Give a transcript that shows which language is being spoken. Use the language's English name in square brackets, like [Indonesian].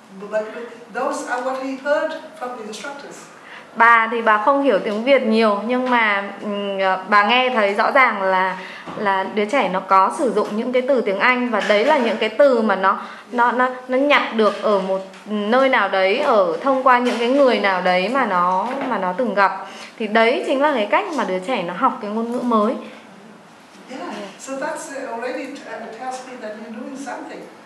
[English] But those are what he heard from the instructors. [Vietnamese] Bà thì bà không hiểu tiếng Việt nhiều, nhưng mà bà nghe thấy rõ ràng là đứa trẻ nó có sử dụng những cái từ tiếng Anh, và đấy là những cái từ mà nó nhặt được ở một nơi nào đấy, ở thông qua những cái người nào đấy mà nó từng gặp. Thì đấy chính là cái cách mà đứa trẻ nó học cái ngôn ngữ mới. [English] Yeah, so that's already tells me that you're doing something.